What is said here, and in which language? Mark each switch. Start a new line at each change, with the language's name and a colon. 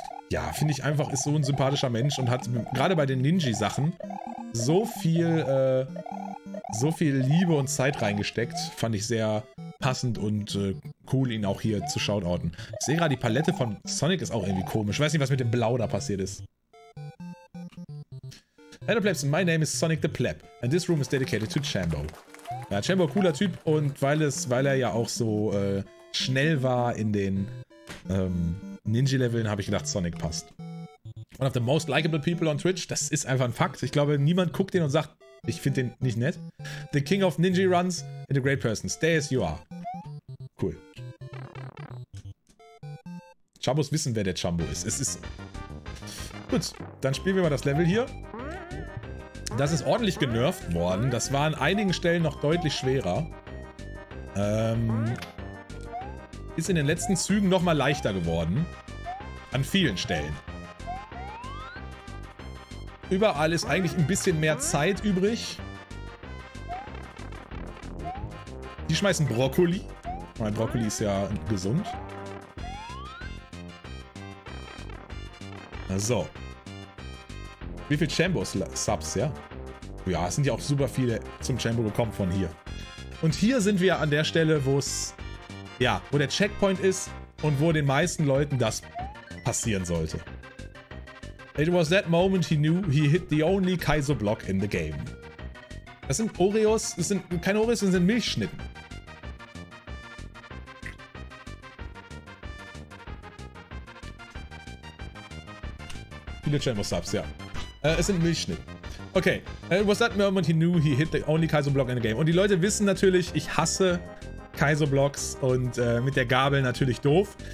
German: Ja, finde ich einfach, ist so ein sympathischer Mensch und hat gerade bei den Ninji-Sachen so viel Liebe und Zeit reingesteckt. Fand ich sehr passend und cool, ihn auch hier zu shoutouten. Ich sehe gerade, die Palette von Sonic ist auch irgendwie komisch. Ich weiß nicht, was mit dem Blau da passiert ist.
English: Hello Plebs, my name is Sonic the Pleb and this room is dedicated to Shambo.
German: Ja, Shambo, cooler Typ und weil er ja auch so schnell war in den Ninja-Leveln, habe ich gedacht, Sonic passt.
English: One of the most likable people on Twitch,
German: das ist einfach ein Fakt. Ich glaube, niemand guckt den und sagt, ich finde den nicht nett.
English: The king of Ninja runs and a great person. Stay as you are. Cool.
German: Chambos wissen, wer der Chambo ist. Es ist... Gut, dann spielen wir mal das Level hier. Das ist ordentlich genervt worden. Das war an einigen Stellen noch deutlich schwerer. Ist in den letzten Zügen nochmal leichter geworden. An vielen Stellen. Überall ist eigentlich ein bisschen mehr Zeit übrig. Die schmeißen Brokkoli. Weil Brokkoli ist ja gesund. So. Wie viel Chambos-Subs, ja? Ja, es sind ja auch super viele zum Chambo gekommen von hier. Und hier sind wir an der Stelle, wo es... Ja, wo der Checkpoint ist und wo den meisten Leuten das passieren sollte.
English: It was that moment he knew he hit the only Kaizo block in the game.
German: Das sind Oreos, das sind keine Oreos, das sind Milchschnitten. Viele Chambo-Subs, ja. Es sind Milchschnitten.
English: Okay, it was that moment he knew he hit the only Kaizo block in the game.
German: Und die Leute wissen natürlich, ich hasse Kaizo blocks und mit der Gabel natürlich doof.